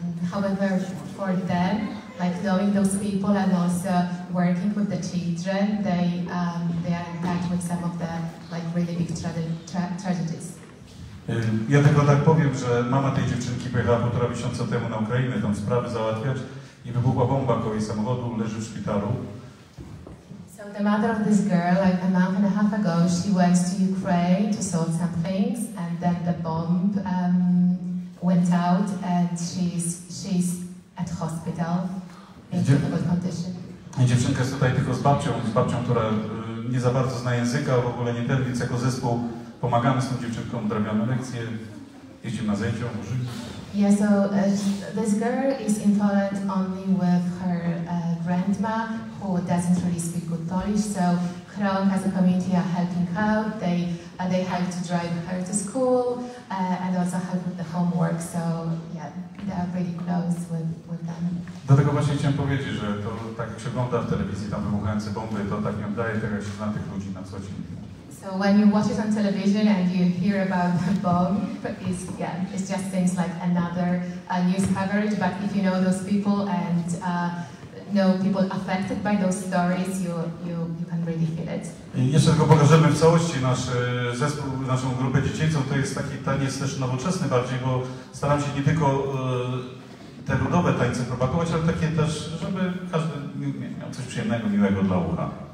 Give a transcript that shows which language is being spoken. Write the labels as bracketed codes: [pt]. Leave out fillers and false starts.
[en] However, for them, like knowing those people and also working with the children, they are in touch with some of the like really big tragedies. [pl] Ja tylko tak powiem, że mama tej dziewczynki pojechała 1,5 miesiąca temu na Ukrainę tam sprawy załatwiać i wybuchła bomba koło jej samochodu, leży w szpitalu. [en] So the mother of this girl, like a month and a half ago, she went to Ukraine to sort some things, and then the bomb went out and she's at hospital in difficult condition. [pl] Dziewczynka jest tutaj tylko z babcią, która nie za bardzo zna języka, w ogóle nie ten, więc jako zespół pomagamy z tą dziewczynką, odrabiamy lekcje, jeździmy na zajęcia, możemy. [en] Yeah, so this girl is in Poland only with her grandma, who doesn't really speak good Polish. So Krąg as a community are helping out. They help to drive her to school and also help with the homework. So yeah, they are pretty close with them. [pl] Dlatego właśnie chciałem powiedzieć, że to tak jak się ogląda w telewizji, tam wybuchające bomby, to tak nie oddaje tego, jak się zna tych ludzi na co dzień. [en] So when you watch it on television and you hear about the bomb, it's, yeah, it just seems like another news coverage. But if you know those people and know people affected by those stories, you can really feel it. [pl] Jeszcze tylko pokażemy w całości nasz zespół, naszą grupę dziecięcą. To jest taki taniec też nowoczesny bardziej, bo staram się nie tylko te ludowe tańce propagować, ale takie też, żeby każdy miał coś przyjemnego, miłego dla ucha.